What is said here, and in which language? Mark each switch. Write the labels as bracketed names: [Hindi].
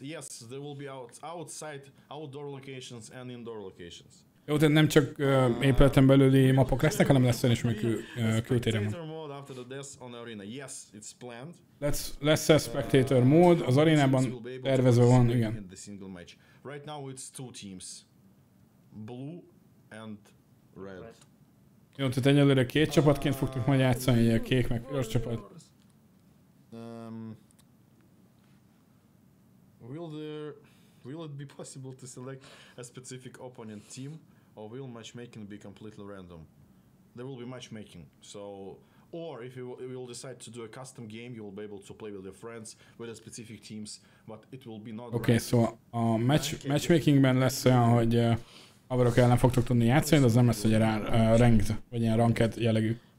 [English] Yes, there will be outside outdoor locations and indoor locations. [Hungarian] Jó, tehát nem csak épületen belüli mapok lesznek, hanem lesz olyan is, mert kültérem van. [English] Yes, it's planned. [Hungarian] Lesz a spectator mode, az arénában tervezve van, igen. [English] The single match. Right now it's two teams. Blue and red. [Hungarian] Jó, tehát egyelőre két csapatként fogtuk majd játszani, ugye kék meg piros csapat. [English] Will it be possible to select a specific opponent team, or will matchmaking be completely random? There will be matchmaking, so... Or if you will decide to do a custom game, you will be able to play with your friends, with a specific teams, but it will be not... Okay, random. [Hungarian] So matchmakingben lesz olyan, hogy... Haverok ellen fogtok tudni játszani, de az nem lesz, hogy ranked, vagy ilyen ranked jellegű.